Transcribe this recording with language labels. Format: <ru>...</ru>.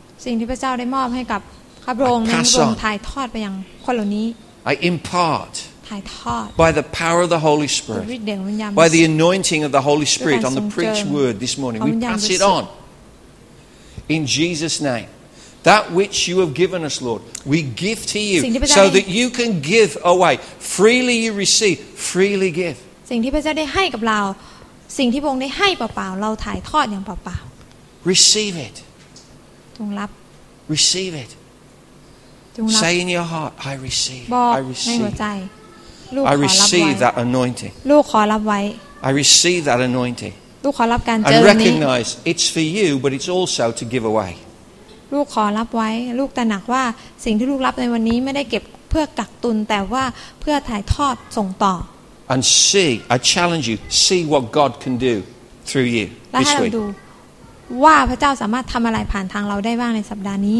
<th>สิ่งที่พระเจ้าได้มอบให้กับข้าพระองค์นั้นผมถ่ายทอดไปยังคนเหล่านี้</th> <en>I impart. By the power of the Holy Spirit. By the anointing of the Holy Spirit on the preached word this morning, we pass it on. In Jesus' name, that which you have given us, Lord, we give to you, so that you can give away freely. You receive freely. Give.</en> <th>สิ่งที่พระเจ้าได้ให้กับเราสิ่งที่พระองค์ได้ให้เปล่าๆเราถ่ายทอดอย่างเปล่า</th> <en>ๆ Receive it.</en> <th>จงรับ</th> <en>Receive it.</en> <th>จงรับ</th> <en>Say in your heart, I receive.</en> <th>บอกในหัวใจลูกขอรับ</th> <en>ไว้ I receive that anointing.</en> <th>ลูกขอรับไว้</th> <en>I receive that anointing.</en> <th>ลูกขอรับการเจิมี้</th> <en>I recognize it's for you but it's also to give away</en> <th>ลูกขอรับไว้ลูกตระหนักว่าสิ่งที่ลูกรับในวันนี้ไม่ได้เก็บเพื่อกักตุนแต่ว่าเพื่อถ่ายทอดส่งต่อ</th> <en>And see I challenge you see what God can do through you</en> <th>และให้เราดูว่าพระเจ้าสามารถทำอะไรผ่านทางเราได้บ้างในสัปดาห์นี</th>